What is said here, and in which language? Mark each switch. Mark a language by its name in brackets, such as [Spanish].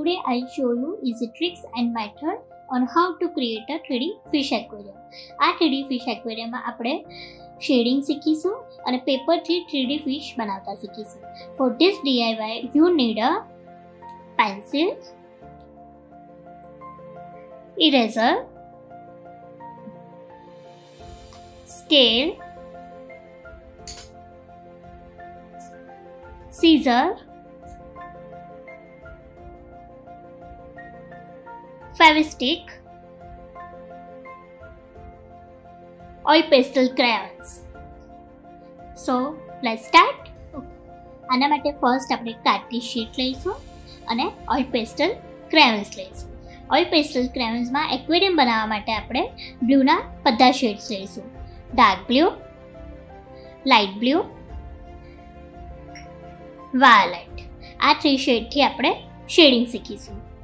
[English] I'll show you easy tricks and method on how to create a 3D fish aquarium. [Gujarati] આ 3D fish aquarium માં આપણે shading શીખીશું અને paper થી 3D fish બનાવતા શીખીશું. [English] For this DIY you need a pencil, eraser, scale, scissor, 5-stick, oil pastel crayons. So let's start. [Gujarati] આના માટે ફર્સ્ટ આપણે કાર્ડની શીટ લઈશું અને ઓઇલ પેસ્ટલ ક્રેયોન્સ લઈશું. ઓઇલ પેસ્ટલ ક્રેયોન્સમાં એક્વેરિયમ બનાવવા માટે આપણે બ્લુના બધા શેડ્સ લઈશું. Dark blue, light blue, violet, આ 3 શેડથી આપણે શેડિંગ શીખીશું.